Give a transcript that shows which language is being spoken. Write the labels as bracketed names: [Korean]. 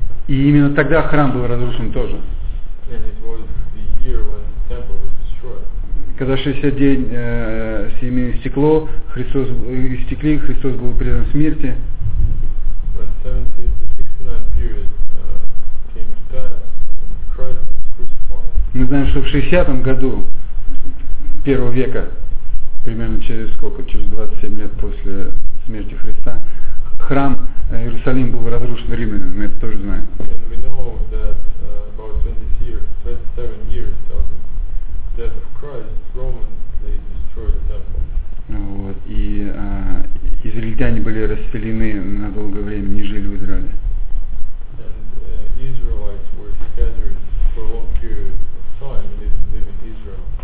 [Russian] И именно тогда храм был разрушен тоже. [English] And it was the year when the temple was destroyed. [Russian] Когда 60 дней семени истекло, Христос истекли, Христос был предан смерти. [English] When 70-69 period came to pass, Christ was crucified. [Russian] Мы знаем, что в 60-м году первого века, примерно через сколько, через 27 лет после смерти Христа, храм Иерусалим был разрушен римлянами, мы это тоже знаем. [English] And we know that about 27 years of death of Christ, Romans, they destroyed the temple. [Russian] Вот, и израильтяне были расселены на долгое время, не жили в Израиле. [English] And Israelites were scattered for a long period of time, they didn't live in Israel.